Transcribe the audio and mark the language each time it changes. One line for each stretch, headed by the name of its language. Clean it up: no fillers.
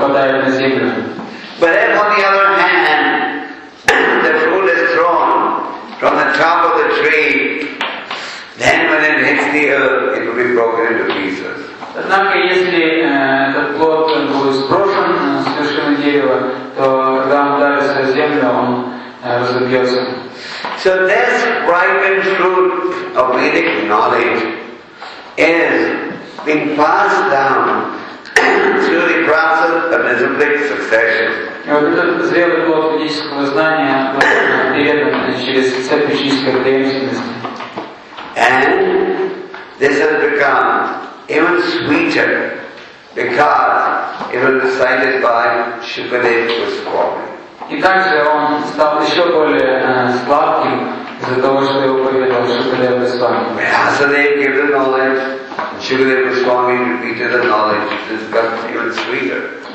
English: But then on the other hand, the fruit is thrown from the top of the tree, then when it hits the earth, it will be broken into pieces.
Russian: Однако если этот плод будет сброшен с вершины дерева, то когда он ударится в землю, он разобьется.
English: So this ripened fruit of Vedic knowledge is being passed down through the process of disciplic succession.
Russian: Вот этот зрелый плод ведического знания передан через цепь ученической преемственности.
English: And this has become even sweeter because it was decided by Shukadeva Goswami.
Russian: И также он стал еще более сладким из-за того, что его поведал Шукадева Госвами.
English: Vyasadeva gave the knowledge, Shukadeva Goswami repeated the knowledge, it has become even sweeter.